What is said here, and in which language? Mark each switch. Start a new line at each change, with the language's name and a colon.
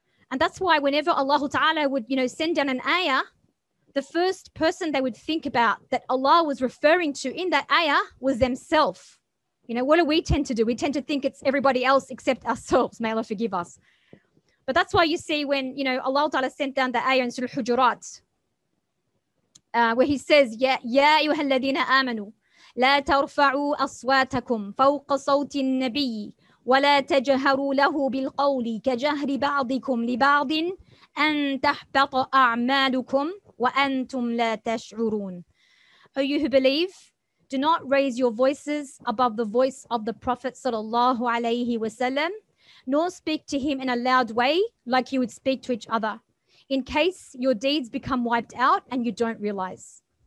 English: And that's why whenever Allah Ta'ala would, you know, send down an ayah, the first person they would think about that Allah was referring to in that ayah was themselves. You know, what do we tend to do? We tend to think it's everybody else except ourselves. May Allah forgive us. But that's why you see when, you know, Allah Ta'ala sent down the ayah in Surah Al-Hujurat, where he says,
Arabic: Ya ayyuhalladhina amanu. لا ترفعوا أصواتكم فوق صوت النبي ولا تجهروا له بالقول كجهر بعضكم لبعض أن تحبط أعمالكم وأنتم لا تشعرون.
English: O you who believe, do not raise your voices above the voice of the Prophet sallallahu alayhi wasallam, nor speak to him in a loud way like you would speak to each other, in case your deeds become wiped out and you don't realize.